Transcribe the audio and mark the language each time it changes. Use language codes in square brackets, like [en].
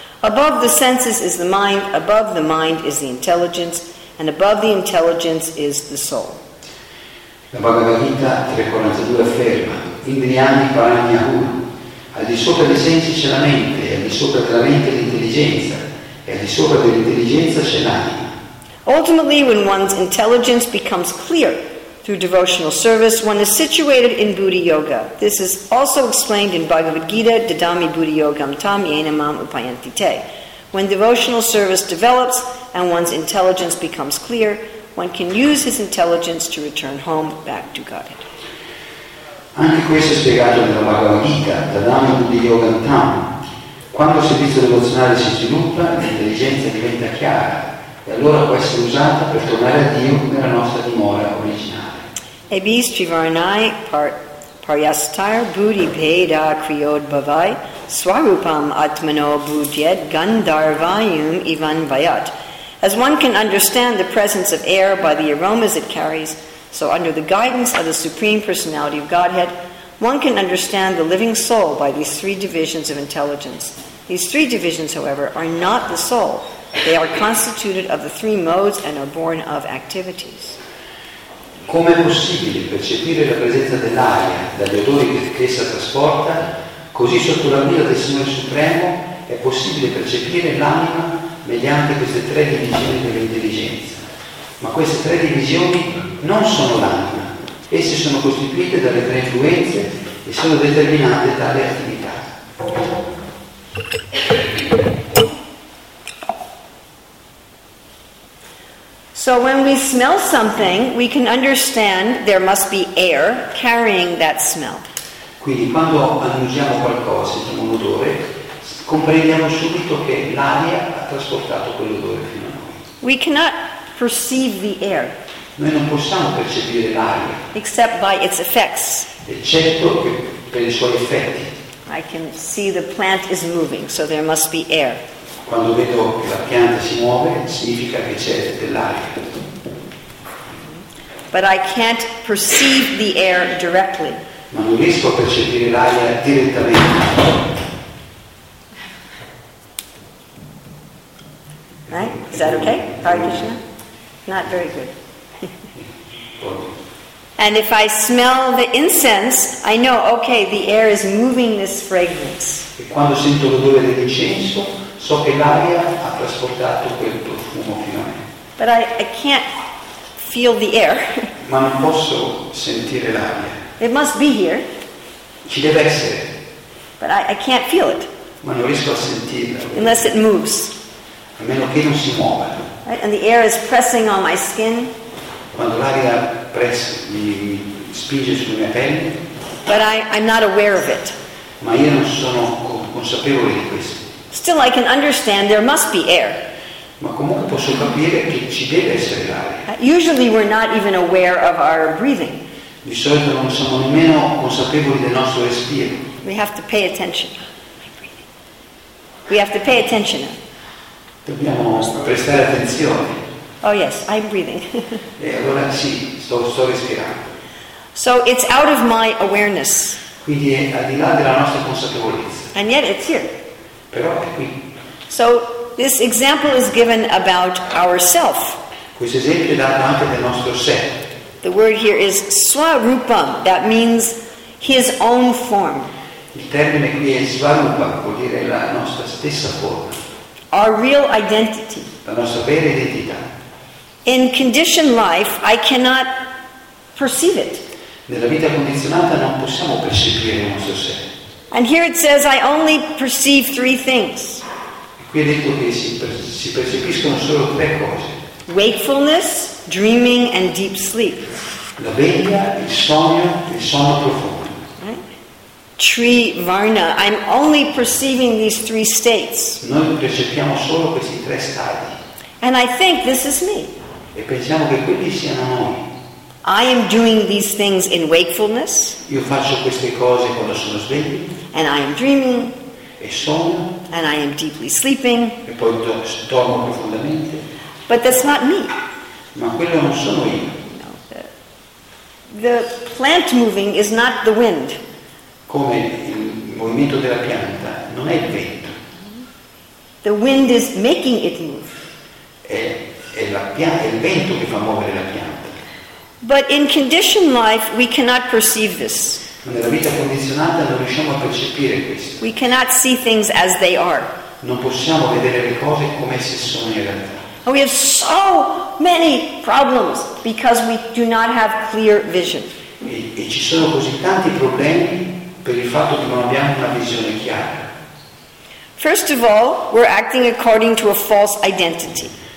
[en] Above the senses is the mind, above the mind is the intelligence, and above the intelligence is the soul. [it] La Bhagavad Gita 3.42 afferma, [sa] Indriyani Paranahur, [it] al di sopra dei sensi c'è la mente, al di sopra della mente l'intelligenza, e al di sopra dell'intelligenza c'è l'anima. [en] Ultimately, when one's intelligence becomes clear through devotional service, one is situated in Buddhi Yoga. This is also explained in Bhagavad Gita, [sa] Dadami Buddhi Yogam Tam Yenamam Upayanti Te. [en] When devotional service develops and one's intelligence becomes clear, one can use his intelligence to return home back to Godhead. [it] Anche questo è spiegato nella Bhagavad Gita, [sa] Dadami Buddhi Yogam Tam. [it] Quando il servizio devozionale si sviluppa, l'intelligenza diventa chiara e allora può essere usata per tornare a Dio nella nostra dimora originale. [sa] Abis Trivarnai Paryastar Buddhi Bheda Kriyod Bhavai Swarupam Atmano Bhujyed Gandharvayum Ivan Vayat. [en] As one can understand the presence of air by the aromas it carries, so under the guidance of the Supreme Personality of Godhead, one can understand the living soul by these three divisions of intelligence. These three divisions, however, are not the soul. They are constituted of the three modes and are born of activities. [it] Com'è possibile percepire la presenza dell'aria dagli odori che essa trasporta? Così sotto la guida del Signore Supremo è possibile percepire l'anima mediante queste tre divisioni dell'intelligenza. Ma queste tre divisioni non sono l'anima, esse sono costituite dalle tre influenze e sono determinate dalle attività. [en] So when we smell something, we can understand there must be air carrying that smell. [it] Quindi quando annusiamo qualcosa, sentiamo un odore, comprendiamo subito che l'aria ha trasportato quell'odore fino a noi. [en] We cannot perceive the air. [it] Noi non possiamo percepire l'aria. [en] Except by its effects. [it] Eccetto che per i suoi effetti. [en] I can see the plant is moving, so there must be air. [it] Quando vedo che la pianta si muove, significa che c'è dell'aria. [en] But I can't perceive the air directly. [it] Ma non riesco a percepire l'aria direttamente. [en] Right? Is that okay? Hare Krishna? Not very good. And if I smell the incense, I know, okay, the air is moving this fragrance. [it] E quando sento l'odore dell'incenso, so che l'aria ha trasportato quel profumo fino a me. [en] But I can't feel the air. [it] Ma non posso sentire l'aria. [en] It must be here. [it] Ci deve essere. [en] But I can't feel it. [it] Ma non riesco a sentirlo. [en] Unless it moves. [it] a meno che non si muova. [en] Right? And the air is pressing on my skin. [it] Quando l'aria pressa, mi spinge sulla mia pelle. [en] But I'm not aware of it. [it] Ma io non sono consapevole di questo. [en] Still, I can understand there must be air. [it] Ma comunque posso capire che ci deve essere l'aria. [en] Usually, we're not even aware of our breathing. [it] Di solito non siamo nemmeno consapevoli del nostro respiro. [en] We have to pay attention. We have to pay attention. [it] Dobbiamo prestare attenzione. [en] Oh yes, I'm breathing. [it] E allora sì, sto respirando. [en] So it's out of my awareness. [it] Quindi è al di là della nostra consapevolezza. [en] And yet it's here. [it] Però è qui. [en] So this example is given about ourself. [it] Questo esempio è dato anche del nostro sé. [en] The word here is swarupam. That means his own form. [it] Il termine qui è svarupa, vuol dire la nostra stessa forma. [en] Our real identity. [it] La nostra vera identità. [en] In conditioned life, I cannot perceive it. [it] Nella vita condizionata non possiamo percepire il nostro sé. [en] And here it says I only perceive three things. [it] E qui è detto che si percepiscono solo tre cose. [en] Wakefulness, dreaming, and deep sleep. [it] La veglia, il sogno, il sonno profondo. [en] Right? Tri varna. I'm only perceiving these three states. [it] Noi percepiamo solo questi tre stati. [en] And I think this is me. [it] E pensiamo che quelli siano noi. [en] I am doing these things in wakefulness. [it] Io faccio queste cose quando sono sveglio. [en] And I am dreaming. [it] E sogno. [en] And I am deeply sleeping. [it] E poi dormo profondamente. [en] But that's not me. [it] Ma quello non sono io. [en] No, the plant moving is not the wind. [it] Come il movimento della pianta non è il vento. [en] The wind is making it move. [it] È il vento che fa muovere la pianta. [en] But in conditioned life we cannot perceive this. [it] Ma nella vita condizionata non riusciamo a percepire questo. [en] We cannot see things as they are. [it] Non possiamo vedere le cose come se sono in realtà. [en] And we have so many problems because we do not have clear vision. [it] E ci sono così tanti problemi per il fatto che non abbiamo una visione chiara. [en] First of all, we're acting according to a false identity.